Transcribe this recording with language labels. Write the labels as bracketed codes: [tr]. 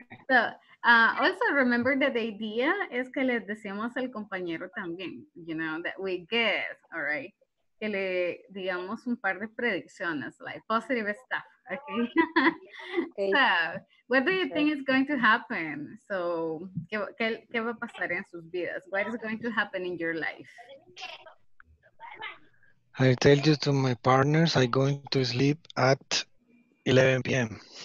[en] So also remember that the idea is que les decimos al compañero también, you know, that we guess, all right, que le digamos un par de predicciones, like positive stuff, okay? Okay. So, what do you think is going to happen? [es] So, ¿qué va a pasar en sus vidas? [en] What is going to happen in your life? I tell you to my partners, I'm going to sleep at 11 p.m.